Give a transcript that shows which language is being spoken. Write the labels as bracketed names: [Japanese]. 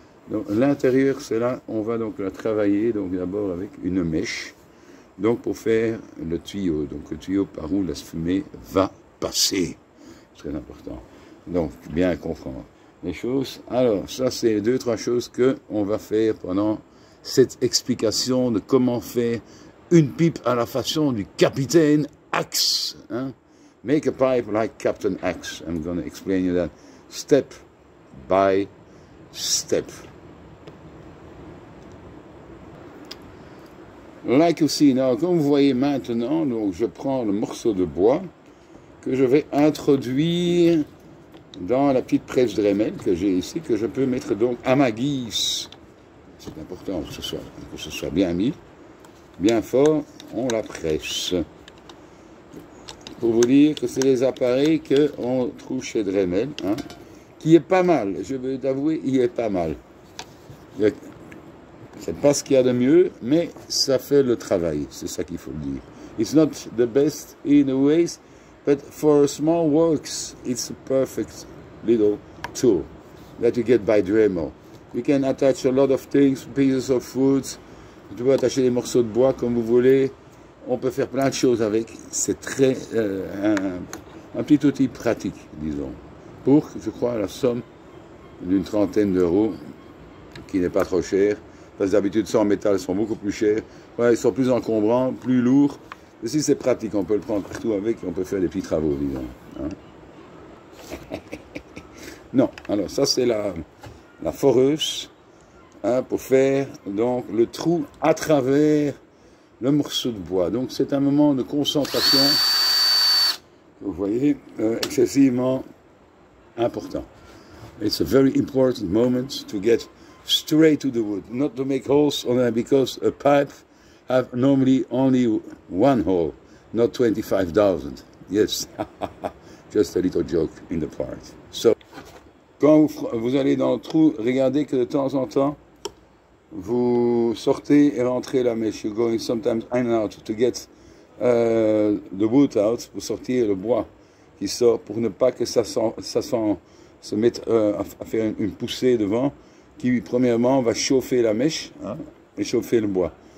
[French] Donc l'intérieur, c'est là, on va donc la travailler, donc d'abord avec une mèche, donc pour faire le tuyau, donc le tuyau par où la fumée va passer. C'est très important. Donc, bien comprendre les choses. Alors, ça c'est deux, trois choses qu'on va faire pendant cette explication de comment faire une pipe à la façon du capitaine Axe. Hein? [English] Make a pipe like Captain Axe. I'm going to explain you that step by step. Like you see now, [French] comme vous voyez maintenant, donc je prends le morceau de bois que je vais introduire dans la petite presse Dremel que j'ai ici, que je peux mettre donc à ma guise. C'est important que ce soit bien mis, bien fort, on la presse. Pour vous dire que c'est les appareils qu'on trouve chez Dremel, hein, qui est pas mal, je veux t'avouer, il est pas mal. C'est pas ce qu'il y a de mieux, mais ça fait le travail, c'est ça qu'il faut le dire. [English] It's not the best in a way, but for small works, it's a perfect little tool that you get by Dremel. You can attach a lot of things, pieces of wood. [French] Vous pouvez attacher des morceaux de bois comme vous voulez. On peut faire plein de choses avec. C'est très un petit outil pratique, disons. Pour, je crois, la somme d'une trentaine d'euros, qui n'est pas trop cher. Parce que d'habitude, ça en métal, ils sont beaucoup plus chers. Ouais, ils sont plus encombrants, plus lourds. Et si c'est pratique, on peut le prendre partout avec et on peut faire des petits travaux, disons. Hein? Non, alors ça c'est la foreuse, hein, pour faire donc le trou à travers le morceau de bois. Donc c'est un moment de concentration, vous voyez, excessivement important. [English] It's a very important moment to get straight to the wood, not to make holes on it, because a pipe has normally only one hole, not 25,000. Yes, just a little joke in the part. [French] So, quand vous allez dans le trou, regardez que de temps en temps, vous sortez et rentrez la mèche. [English] You're going sometimes in and out to get the wood out, [French] pour sortir le bois qui sort, pour ne pas que se mette à faire une poussée devant, qui premièrement va chauffer la mèche, hein, et chauffer le bois.